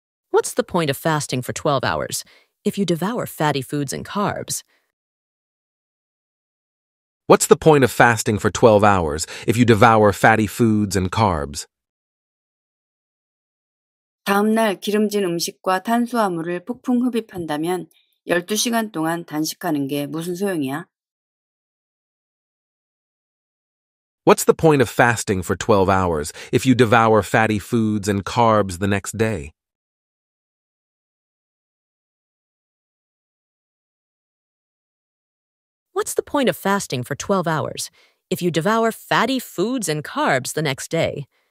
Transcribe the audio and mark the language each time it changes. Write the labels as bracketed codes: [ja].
[en] What's the point of fasting for 12 hours if you devour fatty foods and carbs? What's the point of fasting for 12 hours if you devour fatty foods and carbs? [ko] 다음 날 기름진 음식과 탄수화물을 폭풍 흡입한다면 12시간 동안 단식하는 게 무슨 소용이야? [en] What's the point of fasting for 12 hours if you devour fatty foods and carbs the next day? What's the point of fasting for 12 hours if you devour fatty foods and carbs the next day?